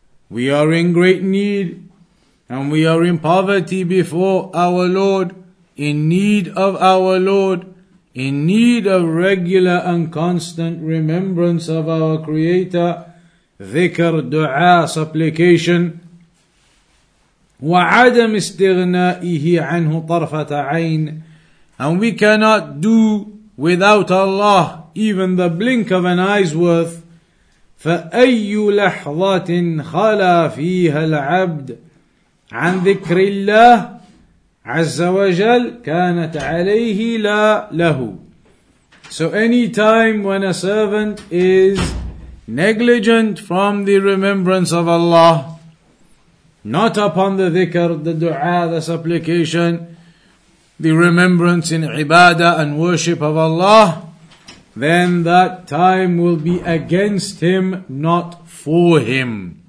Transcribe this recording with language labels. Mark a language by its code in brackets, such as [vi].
[en] We are in great need, and we are in poverty before our Lord, in need of our Lord, in need of regular and constant remembrance of our Creator, dhikr, dua, supplication. [ar] وَعَدَمْ إِسْتِغْنَائِهِ عَنْهُ طَرْفَةَ عَيْنِ. [en] And we cannot do without Allah even the blink of an eye's worth. [ar] فَأَيُّ لَحْظَةٍ خَلَى فِيهَا الْعَبْدِ عن ذكر الله عز وجل كانت عليه لا له. [en] So any time when a servant is negligent from the remembrance of Allah, not upon the dhikr, the dua, the supplication, the remembrance in ibadah and worship of Allah, then that time will be against him, not for him.